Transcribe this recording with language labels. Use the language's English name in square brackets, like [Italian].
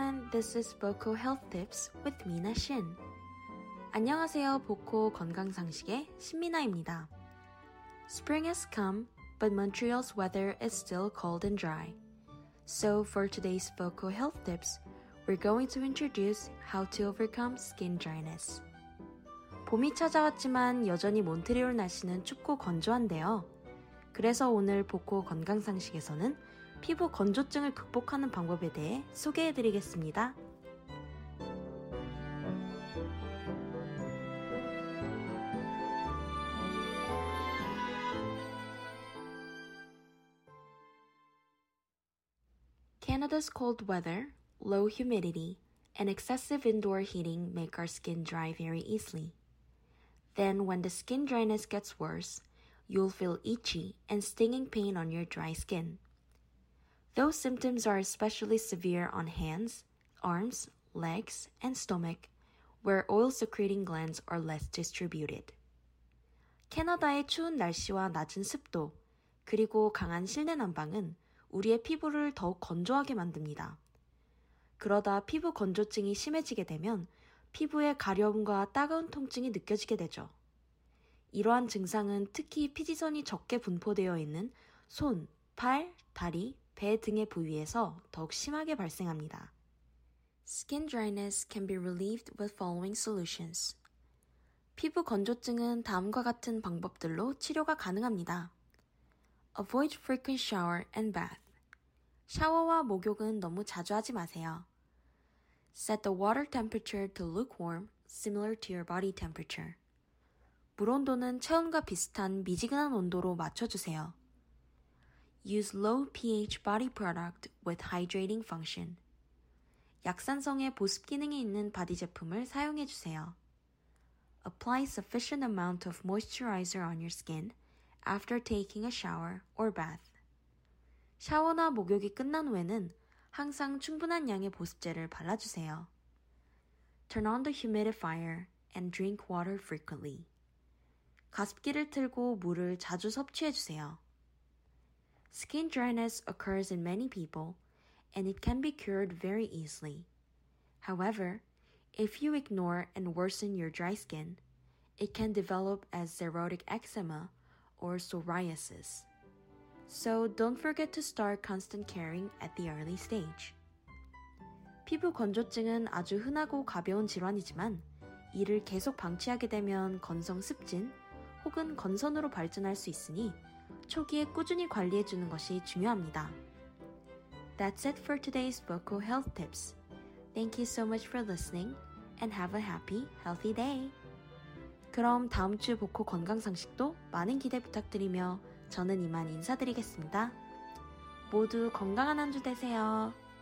[English] This is Boko Health Tips with Mina Shin. [Korean] 안녕하세요, 보코 건강 상식의 신미나입니다. [English] Spring has come, but Montreal's weather is still cold and dry. So for today's Boko Health Tips, we're going to introduce how to overcome skin dryness. [Korean] 봄이 찾아왔지만 여전히 몬트리올 날씨는 춥고 건조한데요. 그래서 오늘 보코 건강 상식에서는 피부 건조증을 극복하는 방법에 대해 소개해드리겠습니다. [English] 캐나다's cold weather, low humidity, and excessive indoor heating make our skin dry very easily. Then when the skin dryness gets worse, you'll feel itchy and stinging pain on your dry skin. Those symptoms are especially severe on hands, arms, legs, and stomach, where oil-secreting glands are less distributed. [Korean] 캐나다의 추운 날씨와 낮은 습도, 그리고 강한 실내 난방은 우리의 피부를 더욱 건조하게 만듭니다. 그러다 피부 건조증이 심해지게 되면 피부에 가려움과 따가운 통증이 느껴지게 되죠. 이러한 증상은 특히 피지선이 적게 분포되어 있는 손, 팔, 다리, 배 등의 부위에서 더욱 심하게 발생합니다. [English] Skin dryness can be relieved with following solutions. [Korean] 피부 건조증은 다음과 같은 방법들로 치료가 가능합니다. [English] Avoid frequent shower and bath. [Korean] 샤워와 목욕은 너무 자주 하지 마세요. [English] Set the water temperature to lukewarm, similar to your body temperature. [Korean] 물 온도는 체온과 비슷한 미지근한 온도로 맞춰주세요. [English] Use low pH body product with hydrating function. [Korean] 약산성의 보습 기능이 있는 바디 제품을 사용해 주세요. [English] Apply sufficient amount of moisturizer on your skin after taking a shower or bath. [Korean] 샤워나 목욕이 끝난 후에는 항상 충분한 양의 보습제를 발라주세요. [English] Turn on the humidifier and drink water frequently. [Korean] 가습기를 틀고 물을 자주 섭취해 주세요. [English] Skin dryness occurs in many people, and it can be cured very easily. However, if you ignore and worsen your dry skin, it can develop as xerotic eczema or psoriasis. So don't forget to start constant caring at the early stage. [Korean] 피부 건조증은 아주 흔하고 가벼운 질환이지만 이를 계속 방치하게 되면 건성 습진 혹은 건선으로 발전할 수 있으니 초기에 꾸준히 관리해 주는 것이 중요합니다. [English] That's it for today's Voco Health Tips. Thank you so much for listening and have a happy, healthy day. [Korean] 그럼 다음 주 보코 건강 상식도 많은 기대 부탁드리며 저는 이만 인사드리겠습니다. 모두 건강한 한 주 되세요.